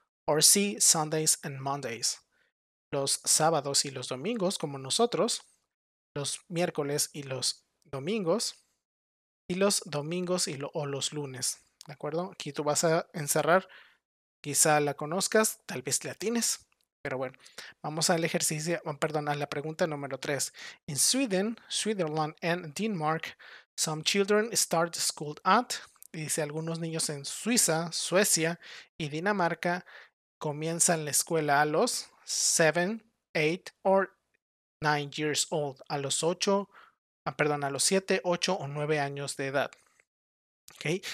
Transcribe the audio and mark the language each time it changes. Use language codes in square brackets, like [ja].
[en] Or C, Sundays and Mondays. [es] Los sábados y los domingos, como nosotros. Los miércoles y los domingos. Y los domingos o los lunes. ¿De acuerdo? Aquí tú vas a encerrar. Quizá la conozcas, tal vez la tienes. Pero bueno, vamos al ejercicio, perdón, a la pregunta número 3. [en] In Sweden, Switzerland and Denmark, some children start school at. [es] Dice algunos niños en Suiza, Suecia y Dinamarca comienzan la escuela a los [en] 7, 8 or 9 years old, [es] a los 7, 8 o 9 años de edad. ¿Okay?